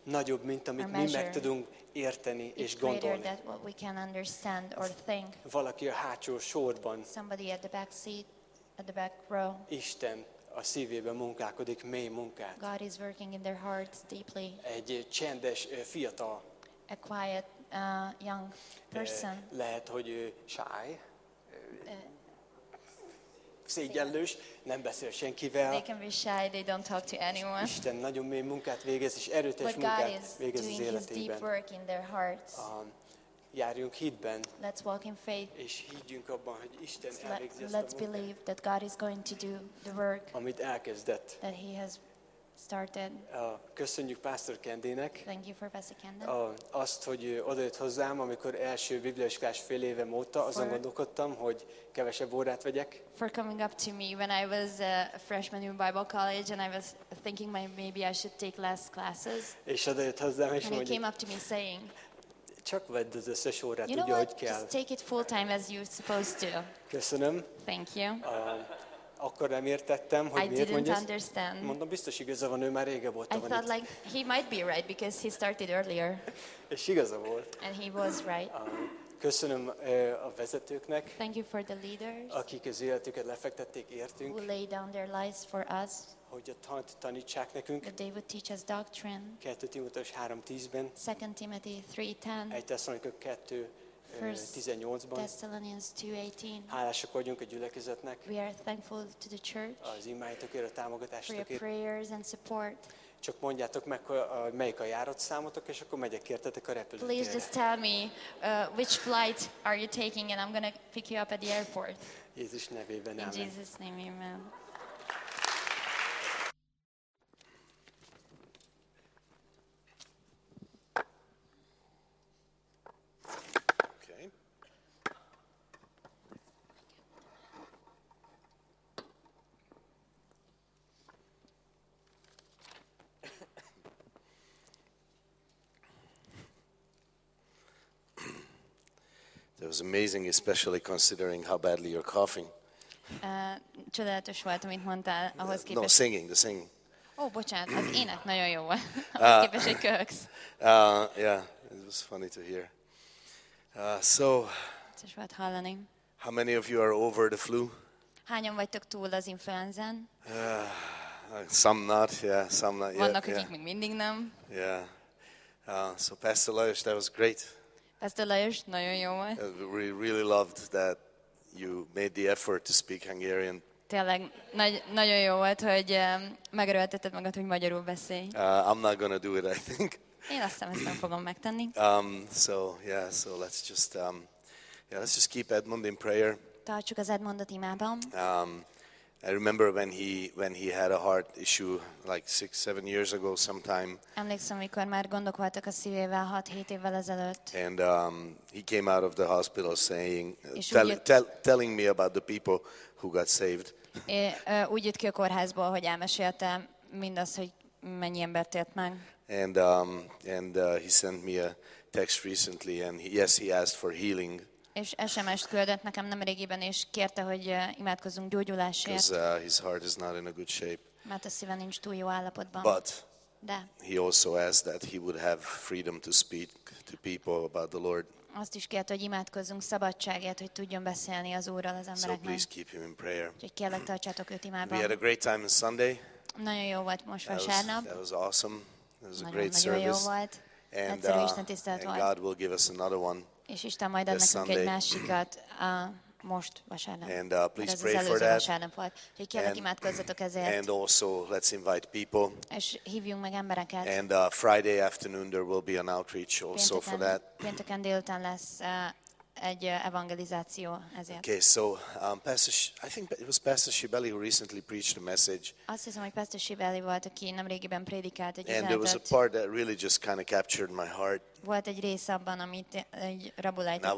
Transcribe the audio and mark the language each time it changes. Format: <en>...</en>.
<hu>Nagyobb, mint amit mi meg tudunk érteni és gondolni.</hu> <en>Greater than what we can understand or think.</en> <hu>Valaki a hátsó sorban.</hu> <en>Somebody at the back seat. At the back row.</en> <hu>Isten a szívében munkálkodik mély munkát.</hu> <en>God is working in their hearts deeply.</en> <hu>Egy csendes fiatal.</hu> <en>A quiet young person.</en> <hu>Lehet, hogy shy. Szégyenlős, nem beszél senkivel.</hu> <en>They can be shy, they don't talk to anyone.</en> <hu>Isten nagyon mély munkát végez és erőteljes munkát végez az életében.</hu> <en>But God is doing his deep work in their hearts.</en> <hu>Járjunk hitben.</hu> <en>Let's walk in faith.</en> <hu>És higgyünk abban, hogy Isten elvégzi ezt a munkát.</hu> <en>Let's believe that God is going to do the work.</en> <hu>Amit elkezdett.</hu> <en>That he has started.</en> <hu>Köszönjük Pastor Candynek.</hu> <en>Thank you for Pastor Candy.</en> <hu>Azt, hogy odajött hozzám, amikor első bibliaiskolás fél évem óta azon gondolkodtam, hogy kevesebb órát vegyek.</hu> <en>For coming up to me when I was a freshman in Bible college and I was thinking maybe I should take less classes.</en> <hu>És odajött hozzám, és mondja.</hu> <en>And he came up to me saying.</en> <hu>Csak vedd az összes órát,</hu> <en>you know,</en> <hu>ugye, hogy kell.</hu> <en>Just take it full time as you're supposed to.</en> <hu>Köszönöm.</hu> <en>Thank you.</en> <hu>Akkor nem értettem, hogy miért mondja.</hu> <en>I didn't understand.</en> <hu>Mondom, biztos igaza van, ő már rége volt.</hu> <en>I thought like he might be right because he started earlier.</en> <hu>És igaza volt.</hu> <en>And he was right.</en> <hu>Köszönöm a vezetőknek.</hu> <en>Thank you for the leaders.</en> <hu>Akik az életüket lefektették értünk.</hu> <en>Who laid down their lives for us.</en> <hu>Hogy a tanítsák nekünk.</hu> <en>That they would teach us doctrine.</en> <hu>2 Timotheus 3:10-ben.</hu> <en>2 Timothy 3:10. 1 Thessalonians 2:18-ban.</en> <hu>Hálásak vagyunk a gyülekezetnek.</hu> <en>We are thankful to the church.</en> <hu>Az imáitokért, a támogatásokért.</hu> <en>For your prayers and support.</en> <hu>Csak mondjátok meg, melyik a járatszámotok, és akkor megyek értetek a repülőtérre.</hu> <en>Please just tell me which flight are you taking, and I'm gonna pick you up at the airport.</en> <hu>Jézus nevében, amen.</hu> <en>In Jesus name, amen. It was amazing, especially considering how badly you're coughing.</en> <hu>Csodálatos volt, amit mondtál, ahhoz képest.</hu> <en>No, singing.</en> <hu>Oh, bocsánat, az ének nagyon jó volt, ahhoz képest, hogy köhögsz.</hu> <en>Yeah, it was funny to hear. So,</en> <hu>csodálatos volt hallani.</hu> <en>How many of you are over the flu?</en> <hu>Hányan vagytok túl az influenzán?</hu> <en>Some not yet.</en> <hu>Vannak, akik még mindig nem.</hu> <en>Yeah. So, Pastor Lajos, that was great.</en> <hu>Pastor Lajos, nagyon jó volt.</hu> <en>We really loved that you made the effort to speak Hungarian.</en> <hu>Tényleg nagyon jó volt, hogy megerőltetted magad, hogy magyarul beszélj.</hu> <en>I'm not gonna do it, I think.</en> <hu>Én azt hiszem, ezt nem fogom megtenni.</hu> <en>Let's just keep Edmond in prayer.</en> <hu>Tartsuk az Edmondot imában.</hu> <en>I remember when he had a heart issue like 6-7 years ago sometime.</en> <hu>Emlékszem, amikor már gondok voltak a szívével 6-7 évvel ezelőtt.</hu> <en>And he came out of the hospital saying telling me about the people who got saved.</en> <hu>Úgy jött ki a kórházból, hogy elmesélte mindazt, hogy mennyi embert ért meg.</hu> <en>And he sent me a text recently and he asked for healing.</en> <hu>És SMS-t küldött nekem nem régiben, és kérte, hogy imádkozzunk gyógyulásért.</hu> <en>His heart is not in a good shape.</en> <hu>Mert a szíve nincs túl jó állapotban.</hu> <en>But</en> <hu>de.</hu> <en>He also asked that he would have freedom to speak to people about the Lord.</en> <hu>Azt is kérte, hogy imádkozzunk szabadságért, hogy tudjon beszélni az Úrral az embereknek.</hu> <en>So please keep him in prayer.</en> <hu>Úgyhogy kérlek, tartsátok őt imában.</hu> <en>We had a great time on Sunday.</en> <hu>Nagyon jó volt most vasárnap.</hu> <en>That was awesome. It was a great service.</en> <hu>Nagyon jó volt.</hu> <en>And God will give us another one.</en> <hu>És Isten majd ad nekünk egy másikat most vasárnap.</hu> <en>And please pray for that.</en> <hu>Vasárnap volt. Hogy kérlek, imádkozzatok ezért.</hu> <en>And also let's invite people.</en> <hu>És hívjunk meg embereket.</hu> <en>And Friday afternoon there will be an outreach also for that.</en> <hu>Pénteken délután lesz egy evangelizáció ezért.</hu> <en>Okay, so Pastor, I think it was Pastor Shibeli who recently preached a message.</en> <hu>Azt hiszem, hogy Pastor Shibeli volt, aki nemrégiben prédikált egy üzenetet.</hu> <en>And there was a part that really just kind of captured my heart.</en> <hu>Volt egy rész abban, amit egy rabulájtott a</hu>